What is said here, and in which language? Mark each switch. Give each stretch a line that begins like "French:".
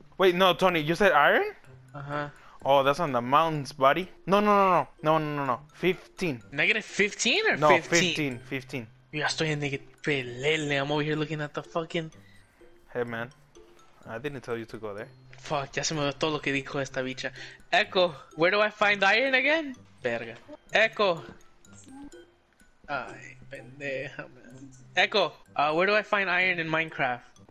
English: Wait, no, Tony, you said iron? Uh-huh. Oh, that's on the mountains, buddy. No, no, no, no, no, no, no, 15. -15 or No, 15? 15, 15.
Spanish: Yo estoy en negative.
English: I'm over here looking at the fucking. Hey, man. I didn't tell you to go there.
Spanish: Fuck, ya se me olvidó todo lo que dijo esta bicha.
English: Echo, where do I find iron again? Verga. Echo.
Spanish: Ay, pendeja,
English: man. Echo, where do I find iron in Minecraft?